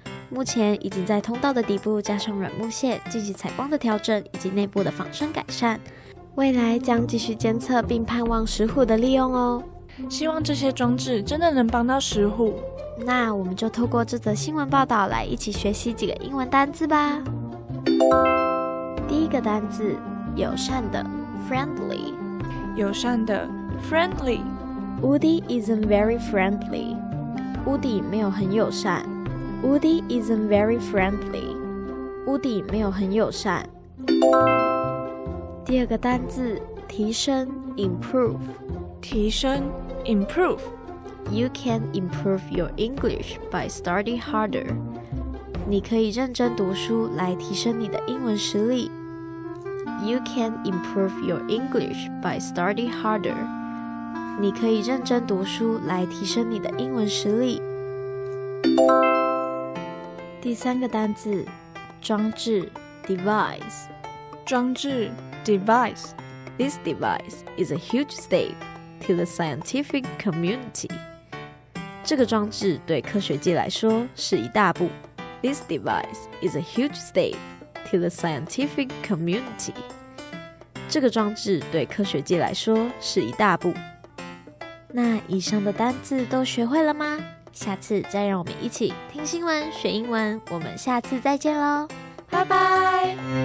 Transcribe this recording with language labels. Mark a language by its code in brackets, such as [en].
[zh] 目前已经在通道的底部加上软木屑进行采光的调整以及内部的仿生改善，未来将继续监测并盼望石虎的利用哦。希望这些装置真的能帮到石虎。那我们就透过这则新闻报道来一起学习几个英文单字吧。第一个单字，友善的 friendly。友善的 friendly。 [en] Woody isn't very friendly。 [zh] Woody 没有很友善。 [en] Woody isn't very friendly。 [zh] Woody 没有很友善。第二个单字，提升 improve。提升 improve。 [en] You can improve your English by studying harder。 [zh] 你可以认真读书来提升你的英文实力。 [en] You can improve your English by studying harder。 [zh] 你可以认真读书来提升你的英文实力。第三个单字，装置 device。装置device。 [en] This device is a huge step to the scientific community。 [zh] 这个装置对科学界来说是一大步。 [en] This device is a huge step to the scientific community。 [zh] 这个装置对科学界来说是一大步。那以上的单字都学会了吗？下次再让我们一起听新闻学英文，我们下次再见咯，拜拜。